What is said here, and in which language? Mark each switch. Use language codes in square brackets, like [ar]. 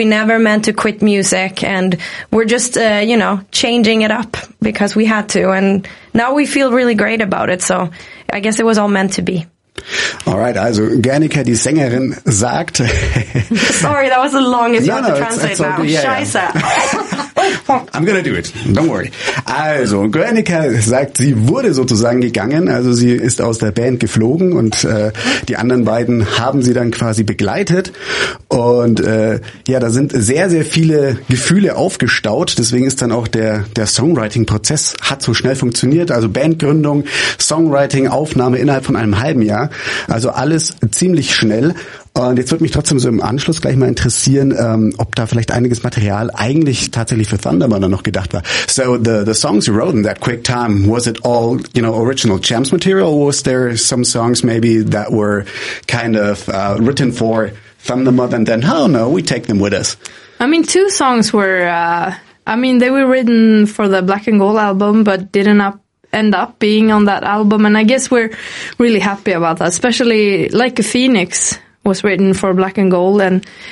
[en] We never meant to quit music, and we're just, changing it up because we had to. And now we feel really great about it. So I guess it was all meant to be. [de] Alright, also Gernika, die Sängerin, sagt... [en] Sorry, that was the longest one to translate it's now. Good, Scheiße. I'm gonna do it, don't worry. [de] Also, Gernika sagt, sie wurde sozusagen gegangen, also sie ist aus der Band geflogen und die anderen beiden haben sie dann quasi begleitet. Und da sind sehr, sehr viele Gefühle aufgestaut, deswegen ist dann auch der Songwriting-Prozess hat so schnell funktioniert. Also Bandgründung, Songwriting, Aufnahme innerhalb von einem halben Jahr. Also alles ziemlich schnell. Und jetzt würde mich trotzdem so im Anschluss gleich mal interessieren, ob da vielleicht einiges Material eigentlich tatsächlich für Thunder Mother noch gedacht war. [en] So the songs you wrote in that quick time, was it all, you know, original Champs material, or was there some songs maybe that were kind of written for Thunder Mother and then, oh no, we take them with us? I mean, two songs were, they were written for the Black and Gold album, but didn't end up being on that album, and I guess we're really happy about that, especially Like a Phoenix was written for Black and Gold and